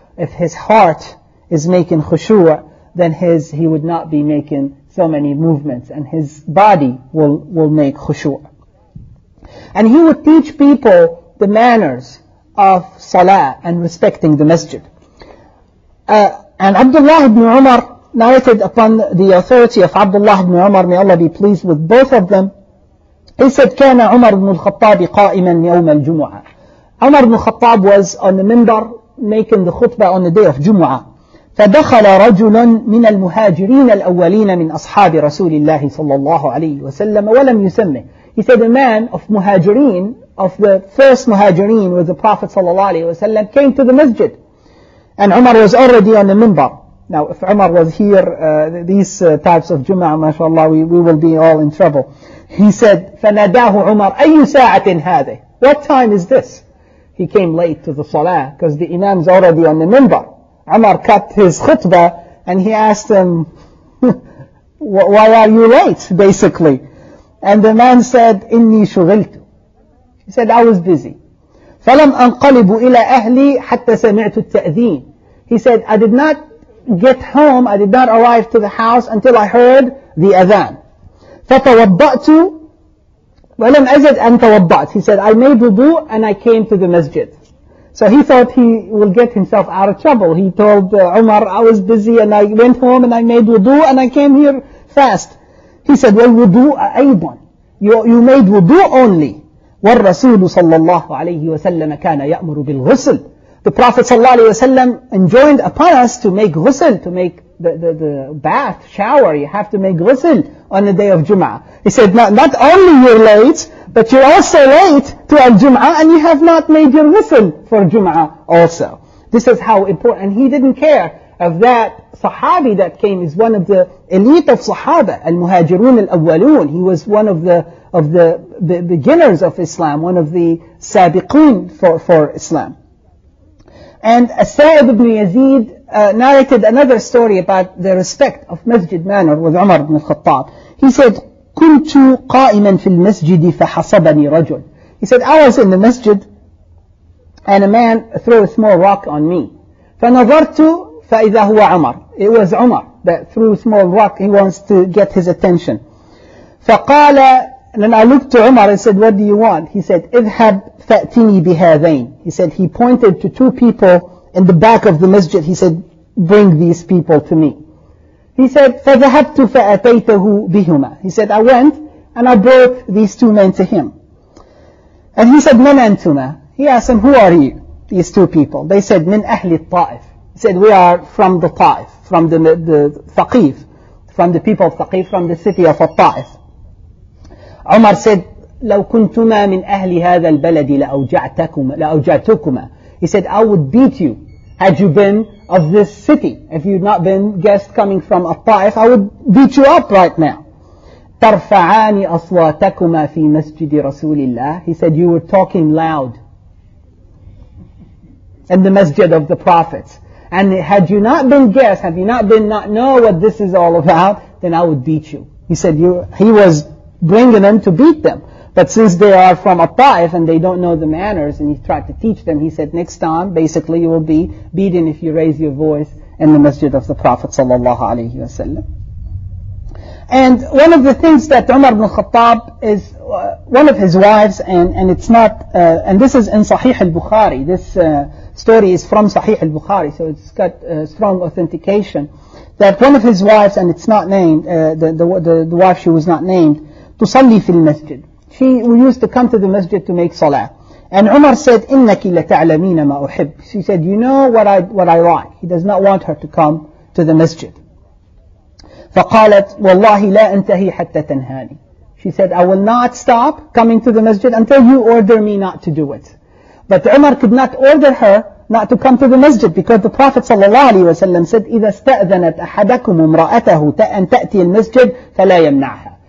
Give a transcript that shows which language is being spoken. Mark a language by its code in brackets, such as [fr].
[en] If his heart is making khushu, then he would not be making so many movements, and his body will make khushu'. And he would teach people the manners of salah and respecting the masjid. And Abdullah ibn Umar narrated upon the authority of Abdullah ibn Umar, may Allah be pleased with both of them. He said, [ar] كَانَ عُمَرُ ibn al-Khattab قَائِمًا يَوْمَ الْجُمُعَةِ. [en] Umar ibn al-Khattab was on the minbar making the khutbah on the day of Jumu'ah. [ar] فَدَخَلَ رَجُلٌ مِنَ الْمُهَاجِرِينَ الْأَوَّلِينَ مِنْ أَصْحَابِ رَسُولِ اللَّهِ صَلَّى اللَّهُ عَلَيْهِ وَسَلَّمَ وَلَمْ يُسَمِّهِ. [en] He said a man of muhajirin, of the first muhajirin with the Prophet صلى الله عليه وسلم, came to the masjid. And Umar was already on the minbar. Now if Umar was here, these types of Jumu'ah, mashallah, we will be all in trouble. He said, [ar] فَنَادَاهُ عُمَرْ أَيُّ سَاعَةٍ هَذِهِ. [en] What time is this? He came late to the salah because the imam is already on the minbar. Umar cut his khutbah and he asked him, why are you late, basically? And the man said, [ar] إِنِّي شُغِلْتُ. [en] He said, I was busy. [ar] فَلَمْ أَنْقَلِبُ إِلَىٰ أَهْلِي حَتَّى سَمِعْتُ التَّأْذِينَ. [en] He said, I did not get home, I did not arrive to the house until I heard the adhan. [ar] فَتَوَضَّأْتُ وَلَمْ أَجَدْ أَنْ تَوَضَّأْتُ. [en] He said, I made wudu and I came to the masjid. So he thought he will get himself out of trouble. He told Umar, I was busy and I went home and I made wudu and I came here fast. He said, well, wudu aybun. You made wudu only. [ar] والرسول صلى الله عليه وسلم كان يأمر بالغسل. [en] The Prophet صلى الله عليه وسلم enjoined upon us to make ghusl, to make the bath, shower. You have to make ghusl on the day of Jum'ah. He said, not only you're late, but you're also late to Al-Jum'ah and you have not made your ghusl for Jum'ah also. This is how important. And he didn't care if that Sahabi that came is one of the elite of Sahaba, Al-Muhajirun Al-Awwalun. He was one of the beginners of Islam, one of the Sabiqeen for Islam. And As-Sa'ib ibn Yazid narrated another story about the respect of masjid manner with Umar ibn al-Khattab. He said, [ar] كُنْتُ قَائِمًا فِي الْمَسْجِدِ فَحَصَبَنِي رَجُلٌ. [en] He said, I was in the masjid and a man threw a small rock on me. [ar] فَنَظَرْتُ فَإِذَا هُوَ عُمَرٌ. [en] It was Umar that threw a small rock. He wants to get his attention. [ar] فَقَالَ. [en] And then I looked to Umar and said, what do you want? He said, [ar] اذهب فأتني بهذين. [en] He said, he pointed to two people in the back of the masjid. He said, bring these people to me. He said, [ar] فذهبت فأتيته بهما. [en] He said, I went and I brought these two men to him. And he said, [ar] من أنتما? [en] He asked them, who are you, these two people? They said, [ar] من أهل الطائف. [en] He said, we are from the Taif, from the Thaqif, from the people of Thaqif, from the city of Taif. Umar said, [ar] لو كنتما من أهل هذا البلد لأوجعتكما. [en] He said, I would beat you had you been of this city. If you had not been guests coming from Taif, I would beat you up right now. [ar] ترفعان أصواتكما في مسجد رسول الله. [en] He said, you were talking loud in the masjid of the prophets. And had you not been guests, have you not been not know what this is all about, then I would beat you. He said, he was bringing them to beat them. But since they are from Taif and they don't know the manners, and he tried to teach them, he said, next time, basically, you will be beaten if you raise your voice in the masjid of the Prophet sallallahu alayhi wa sallam. And one of the things that Umar ibn Khattab is one of his wives, and it's not, and this is in Sahih al-Bukhari. This story is from Sahih al-Bukhari, so it's got strong authentication. That one of his wives, and it's not named, the wife, she was not named, [ar] تصلي في المسجد. [en] She used to come to the masjid to make salah. And Umar said, [ar] إِنَّكِ لَتَعْلَمِينَ مَا أُحِبْ. [en] She said, you know what I like. He does not want her to come to the masjid. [ar] فَقَالَتْ وَاللَّهِ لَا أَنْتَهِي حَتَّى تَنْهَانِي. [en] She said, I will not stop coming to the masjid until you order me not to do it. But Umar could not order her not to come to the masjid because the Prophet ﷺ said, [ar] إِذَا اسْتَأْذَنَتْ أَحَدَكُمُ امْرَأَتَهُ أَنْ تَأْتِيَ الْمَسْجِدْ فَلَا يَمْنَعْهَا.